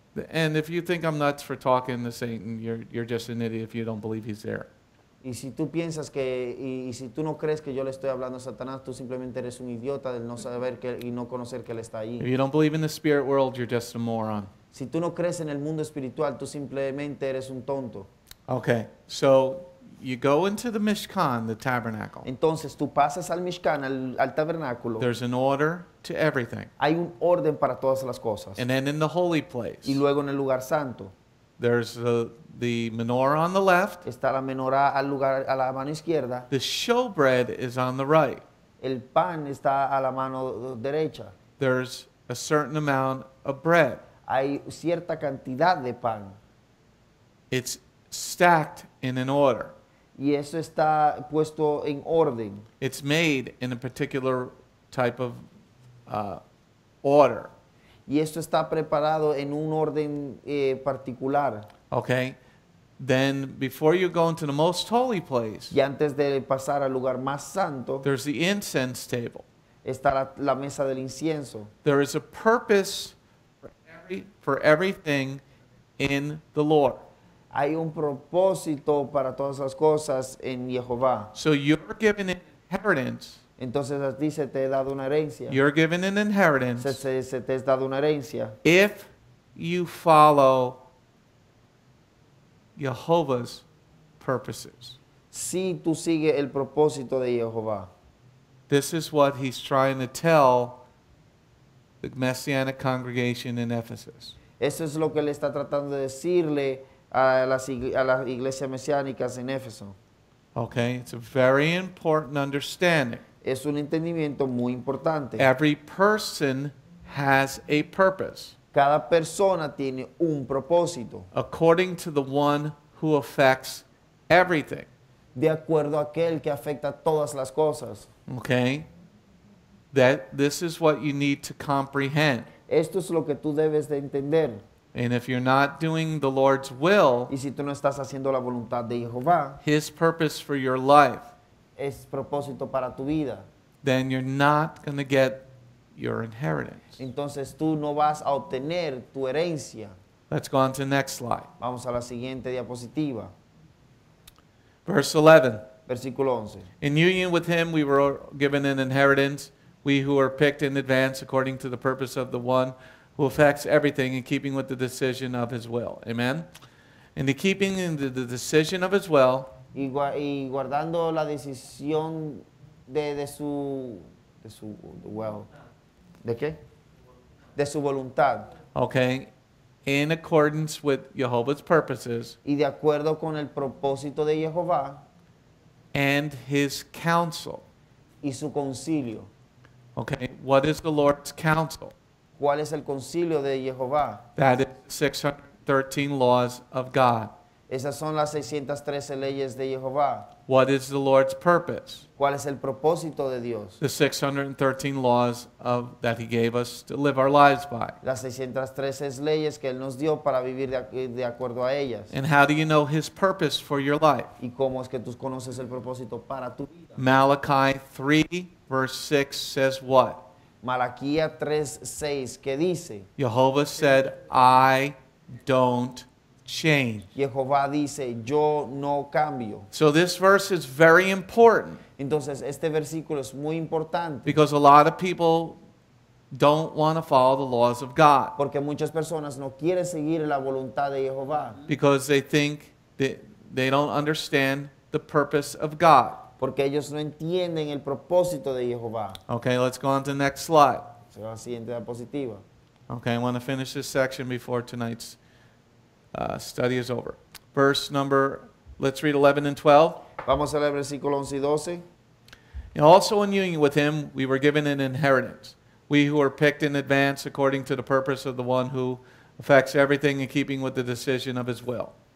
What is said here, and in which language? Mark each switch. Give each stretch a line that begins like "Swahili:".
English: And if you think I'm nuts for talking to Satan, you're just an idiot if you don't believe he's there.
Spanish: Y si tú piensas que y si tú no crees que yo le estoy hablando a Satanás, tú simplemente eres un idiota del no saber que y no conocer que él está ahí.
English: If you don't believe in the spirit world, you're just a moron.
Spanish: Si tú no crees en el mundo espiritual, tú simplemente eres un tonto.
English: Okay. So you go into the Mishkan, the tabernacle.
Spanish: Entonces tú pasas al Mishkan, al tabernáculo.
English: There's an order to everything.
Spanish: Hay un orden para todas las cosas.
English: And then in the holy place.
Spanish: Y luego en el lugar santo.
English: There's the menorah on the left.
Spanish: Está la menorah al lugar a la mano izquierda.
English: The showbread is on the right.
Spanish: El pan está a la mano derecha.
English: There's a certain amount of bread.
Spanish: Hay cierta cantidad de pan.
English: It's stacked in an order.
Spanish: Y eso está puesto en orden.
English: It's made in a particular type of order.
Spanish: Y esto está preparado en un orden particular.
English: Okay. Then before you go into the most holy place.
Spanish: Y antes de pasar al lugar más santo.
English: There's the incense table.
Spanish: Está la mesa del incienso.
English: There is a purpose for everything in the Lord.
Spanish: Hay un propósito para todas las cosas en Jehová.
English: So you're given an inheritance.
Spanish: Entonces a ti se te he dado una herencia.
English: You're given an inheritance.
Spanish: Se te he dado una herencia.
English: If you follow Jehovah's purposes.
Spanish: Si tú sigues el propósito de Jehová.
English: This is what he's trying to tell the Messianic congregation in Ephesus.
Spanish: Eso es lo que le está tratando de decirle a las iglesias mesiánicas en Éfeso.
English: Okay, it's a very important understanding.
Spanish: Es un entendimiento muy importante.
English: Every person has a purpose.
Spanish: Cada persona tiene un propósito.
English: According to the one who affects everything.
Spanish: De acuerdo a aquel que afecta todas las cosas.
English: Okay. This is what you need to comprehend.
Spanish: Esto es lo que tú debes de entender.
English: And if you're not doing the Lord's will,
Spanish: y si tú no estás haciendo la voluntad de Jehová,
English: his purpose for your life,
Spanish: es propósito para tu vida.
English: Then you're not going to get your inheritance.
Spanish: Entonces tú no vas a obtener tu herencia.
English: Let's go on to the next slide.
Spanish: Vamos a la siguiente diapositiva.
English: Verse 11.
Spanish: Versículo 11.
English: In union with him we were given an inheritance, we who are picked in advance according to the purpose of the one who affects everything in keeping with the decision of his will. Amen. in the keeping in the decision of his will,
Spanish: y guardando la decisión de su will, de qué, de su voluntad.
English: Okay, in accordance with Jehovah's purposes,
Spanish: y de acuerdo con el propósito de Jehová,
English: and his counsel,
Spanish: y su concilio.
English: Okay, what is the Lord's counsel?
Spanish: ¿Cuál es el concilio de Jehová?
English: That is 613 laws of God.
Spanish: Esas son las 613 leyes de Jehová.
English: What is the Lord's purpose?
Spanish: ¿Cuál es el propósito de Dios?
English: The 613 laws of that he gave us to live our lives by.
Spanish: Las 613 leyes que él nos dio para vivir de acuerdo a ellas.
English: And how do you know his purpose for your life?
Spanish: ¿Y cómo es que tú conoces el propósito para tu vida?
English: Malachi 3 verse 6 says what?
Spanish: Malaquía 3:6, ¿qué dice?
English: Jehovah said, I don't change.
Spanish: Jehová dice, yo no cambio.
English: So this verse is very important.
Spanish: Entonces, este versículo es muy importante.
English: Because a lot of people don't want to follow the laws of God.
Spanish: Porque muchas personas no quieren seguir la voluntad de Jehová.
English: Because they think that they don't understand the purpose of God.
Spanish: Porque ellos no entienden el propósito de Jehová.
English: Okay, let's go on to the next slide.
Spanish: Se va a la siguiente diapositiva.
English: Okay, I want to finish this section before tonight's study is over. Verse number, let's read 11 and 12.
Spanish: Vamos a leer versículo 11 y 12.
English: And also in union with him, we were given an inheritance. We who are picked in advance according to the purpose of the one who affects everything in keeping with the decision of his will.